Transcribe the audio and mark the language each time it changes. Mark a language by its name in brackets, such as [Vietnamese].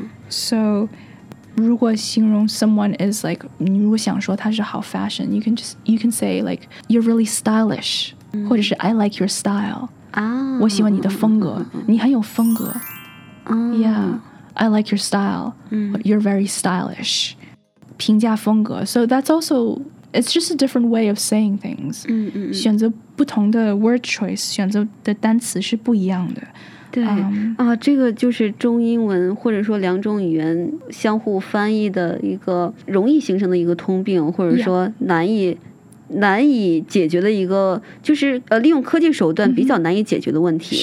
[English] So, [Chinese] 如果形容 [English] someone is like, [Chinese] 你如果想说他是好 [English] fashion, you can say like, you're really stylish, [Chinese] 或者是 [English] I like your style. 啊。 [Chinese] 我喜欢你的风格，你很有风格。 Oh. [English] Yeah, I like your style. You're very stylish. [Chinese] 评价风格 [English] So that's also, it's just a different way of saying things. [Chinese] 选择不同的 [English] word choice, [Chinese] 选择的单词是不一样的。对啊，这个就是中英文或者说两种语言相互翻译的一个容易形成的一个通病，或者说难以解决的一个，就是利用科技手段比较难以解决的问题。